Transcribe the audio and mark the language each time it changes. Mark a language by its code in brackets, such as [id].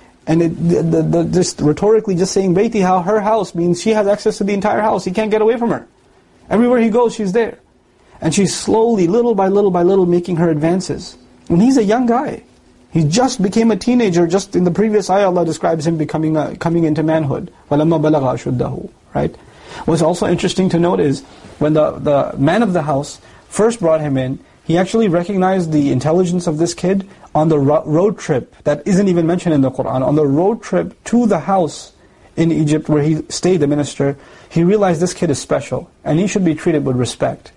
[en] And just rhetorically, just saying baytiha, her house, means she has access to the entire house. He can't get away from her. Everywhere he goes, she's there, and she's slowly, little by little by little, making her advances. And he's a young guy; he just became a teenager. Just in the previous ayah, Allah describes him coming into manhood. [ar] وَلَمَّا بَلَغَ أَشُدَّهُ, [en] right. What's also interesting to note is, when the man of the house first brought him in, he actually recognized the intelligence of this kid on the road trip, that isn't even mentioned in the Qur'an, on the road trip to the house in Egypt where he stayed, the minister, he realized this kid is special, and he should be treated with respect.